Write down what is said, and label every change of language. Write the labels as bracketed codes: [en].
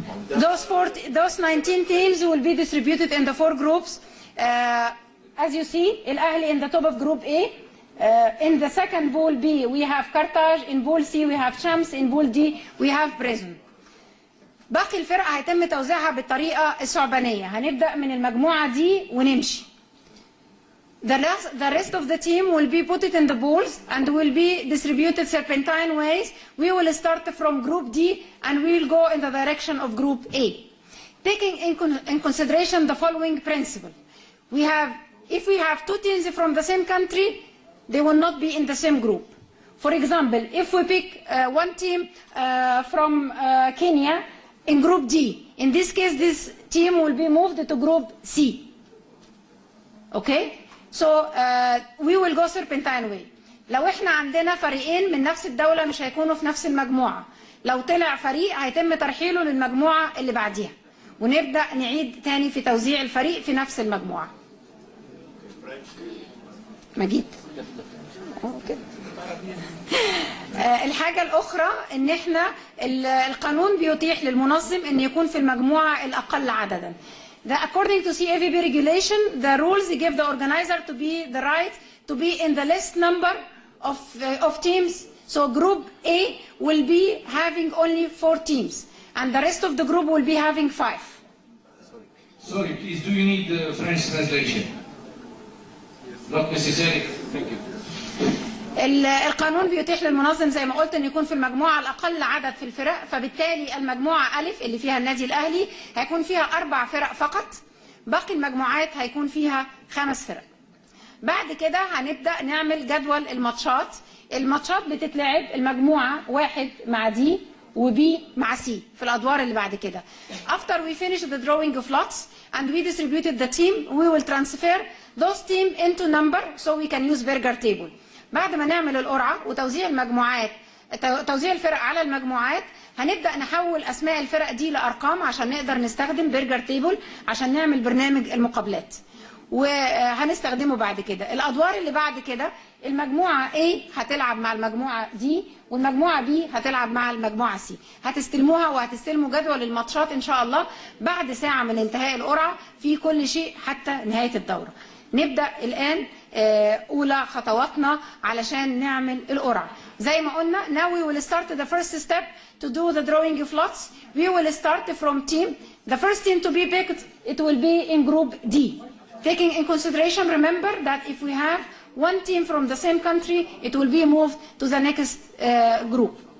[en] Those 19 teams will be distributed in the four groups. As you see, الاهلي in the top of group A. In the second pool B, we have Carthage. In pool C, we have Champs. In pool D, we have Prism. [ar] باقي الفرق هيتم توزيعها بالطريقة الثعبانية. هنبدأ من المجموعة دي ونمشي. [en] The rest of the team will be put it in the pools and will be distributed serpentine ways. We will start from group D and we will go in the direction of group A. Taking in consideration the following principle. If we have two teams from the same country, they will not be in the same group. For example, if we pick one team from Kenya in group D, in this case, this team will be moved to group C. Okay? So we will go serpentine way. [ar] لو احنا عندنا فريقين من نفس الدولة مش هيكونوا في نفس المجموعة. لو طلع فريق هيتم ترحيله للمجموعة اللي بعديها. ونبدأ نعيد تاني في توزيع الفريق في نفس المجموعة. مجيد. الحاجة الأخرى إن احنا القانون بيتيح للمنظم إن يكون في المجموعة الأقل عدداً. [en] According to CAVB regulation, the rules give the organizer to be the right to be in the least number of teams. So group A will be having only four teams, and the rest of the group will be having five. Sorry, please, do you need the French translation? Yes. Not necessary. Thank you. [ar] القانون بيتيح للمنظم زي ما قلت ان يكون في المجموعة الأقل عدد في الفرق، فبالتالي المجموعة ألف اللي فيها النادي الأهلي هيكون فيها أربع فرق فقط، باقي المجموعات هيكون فيها خمس فرق. بعد كده هنبدأ نعمل جدول الماتشات. الماتشات بتتلعب المجموعة واحد مع دي وبي مع سي في الأدوار اللي بعد كده. After we finish the drawing of lots and we distributed the team, we will transfer those team into number so we can use Berger table. بعد ما نعمل القرعة وتوزيع المجموعات توزيع الفرق على المجموعات، هنبدأ نحول أسماء الفرق دي لأرقام عشان نقدر نستخدم برجر تيبل عشان نعمل برنامج المقابلات، وهنستخدمه بعد كده. الأدوار اللي بعد كده المجموعة A هتلعب مع المجموعة D والمجموعة B هتلعب مع المجموعة C. هتستلموها وهتستلموا جدول الماتشات إن شاء الله بعد ساعة من انتهاء القرعة في كل شيء حتى نهاية الدورة. نبدأ الآن أولى خطواتنا علشان نعمل القرعة. زي ما قلنا [en] now we will start the first step to do the drawing of lots. We will start from team. The first team to be picked it will be in group D. Taking in consideration remember that if we have one team from the same country it will be moved to the next group.